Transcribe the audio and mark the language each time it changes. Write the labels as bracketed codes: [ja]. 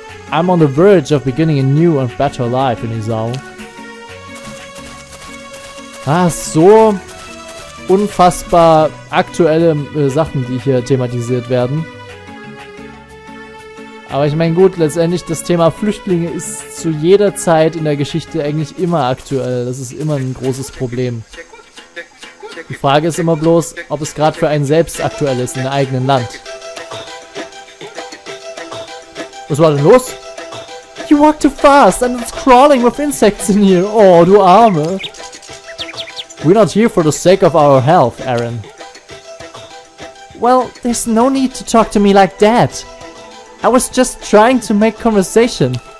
[en] I'm on the verge of beginning a new and better life in Isao. [de] Ah, so unfassbar aktuelle Sachen, die hier thematisiert werden. Aber ich meine, gut, letztendlich, das Thema Flüchtlinge ist zu jeder Zeit in der Geschichte eigentlich immer aktuell. Das ist immer ein großes Problem. Die Frage ist immer bloß, ob es gerade für einen selbst aktuell ist, in einem eigenen Land. Was war denn los? [en] You walk too fast and it's crawling with insects in here. [de] Oh, du Arme. [en] We're not here for the sake of our health, Aaron. Well, there's no need to talk to me like that. I was just trying to make conversation.